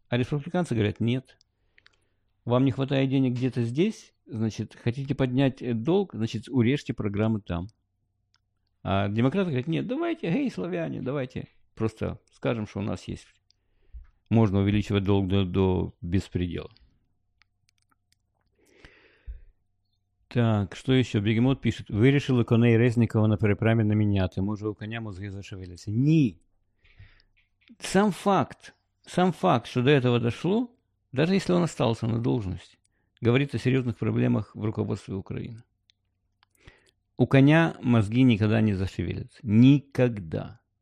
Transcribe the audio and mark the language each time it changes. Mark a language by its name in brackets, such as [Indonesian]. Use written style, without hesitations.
[Russian] А республиканцы говорят, нет. Вам не хватает денег где-то здесь, значит, хотите поднять долг, значит, урежьте программы там. А демократы говорят, нет, давайте, эй, славяне, давайте просто скажем, что у нас есть. Можно увеличивать долг до беспредела. Так, что еще? Бегемот пишет, [Ukrainian] вирішили коней Резнікова на переправі наміняти. [Russian] Може, у коня мозги зашевелися? Ні. [Ukrainian] Сам факт, що до цього дійшло, [Russian] даже если он остался на должности, говорит о серьезных проблемах в руководстве Украины. У коня мозги никогда не зашевелятся. Никогда.